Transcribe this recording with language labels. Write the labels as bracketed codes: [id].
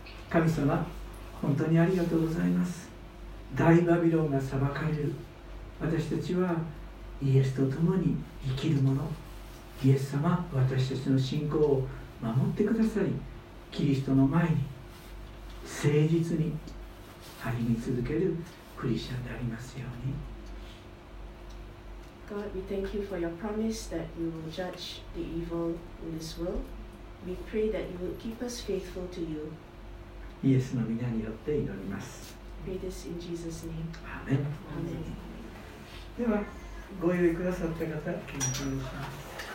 [ja] 神様、本当にありがとうございます。大バビロンが裁かれる、私たちはイエスと共に生きるもの、イエス様、私たちの信仰を守ってください。キリストの前に誠実に歩み続けるクリスチャンでありますように。 [en] God, we thank you for your promise that you will judge the evil in this world. We pray that you will keep us faithful to you. [ja] イエスの御名によって祈ります。 [en] Pray this in Jesus' name. [ja] アーメン。アーメン。ではご用意くださった方、お願いします。